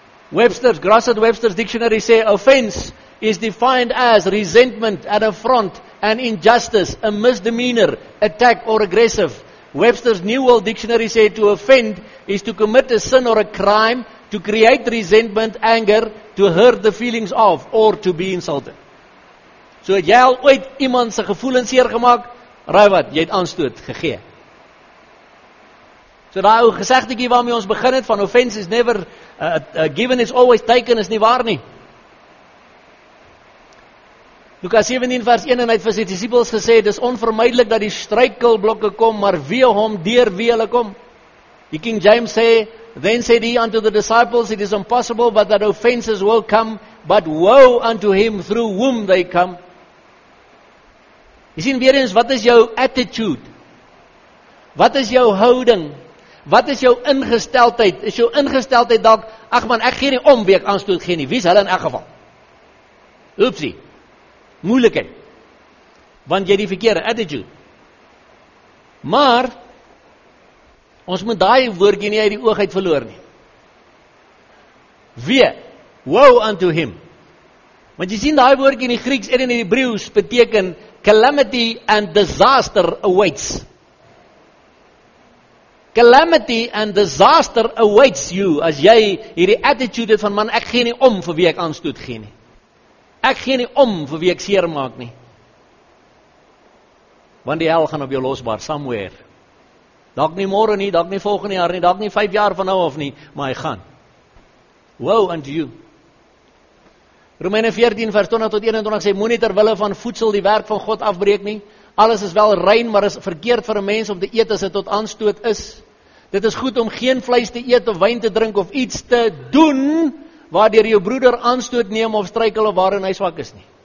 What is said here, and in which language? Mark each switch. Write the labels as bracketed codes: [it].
[en] Webster's, Grosset Webster's dictionary say, offense is defined as resentment, an affront, an injustice, a misdemeanor, attack or aggressive. Webster's New World Dictionary say, to offend is to commit a sin or a crime, to create resentment, anger, to hurt the feelings of, or to be insulted. [af] So het jy al ooit iemand sy gevoelens seer gemaak? Raai wat, jy het aanstoot gegee. So daar ou gesegdekie waarmee ons begin het, van [en] offense is never given is always taken, [af] is nie waar nie. Lukas 17 vers 1, en hy het vir sy disciples gesê, het is onvermijdelik dat die struikelblokke kom, maar wie hom, deur wie hulle kom. [en] Die King James sê, then said he unto the disciples, it is impossible, but that offenses will come, but woe unto him through whom they come. [af] Jy sien weer eens, wat is jou attitude? Wat is jou houding? Wat is jou ingesteldheid? Is jou ingesteldheid dalk, ach man, ek gee nie om wie ek aanstoot gee nie, wie is hulle in elk geval? Oepsie, moeilikheid, want jy die verkeerde attitude. Maar, ons moet daai woordjie nie uit die oog uit verloor nie. Wee, [en] woe unto him. [af] Want jy sien daai woordjie in die Grieks en in die Hebreeuws beteken, [en] calamity and disaster awaits. Calamity and disaster awaits you, [af] as jy hierdie attitude het van, man, ek gee nie om vir wie ek aanstoot gee nie. Ek gee nie om vir wie ek seer maak nie. Want die hel gaan op jou losbaar, somewhere. Dalk nie môre nie, dalk nie volgende jaar nie, dalk nie 5 jaar van nou af nie, maar hy gaan. [en] Woe unto you. [af] Romeine 14 vers 20 tot 21 sê, moenie ter wille van voedsel die werk van God afbreek nie. Alles is wel rein, maar is verkeerd vir 'n mens om te eet as dit tot aanstoot is. Dit is goed om geen vleis te eet of wijn te drink of iets te doen, waardeur jou broeder aanstoot neem of struikel of waarin hy swak is nie.